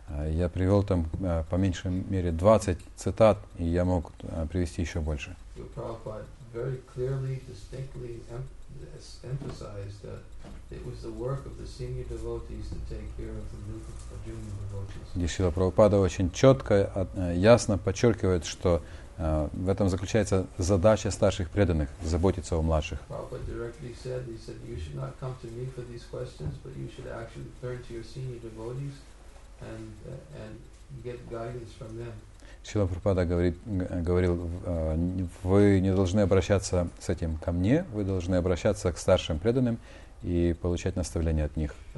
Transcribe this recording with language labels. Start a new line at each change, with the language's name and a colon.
Russian: Я привел там по меньшей мере 20 цитат, и я мог привести еще больше.
English: Very clearly, distinctly emphasized that it was the work of the senior devotees to take care of the new junior devotees.
Russian: Шрила Прабхупада очень четко, ясно подчеркивает, что в этом заключается задача старших преданных — заботиться о младших.
English: Prabhupada directly said, he said, you should not come to me for these questions, but you should actually turn to your senior devotees and get guidance from them.
Russian: Шрила Прабхупада говорил, вы не должны обращаться с этим ко мне, вы должны обращаться к старшим преданным и получать наставления от них.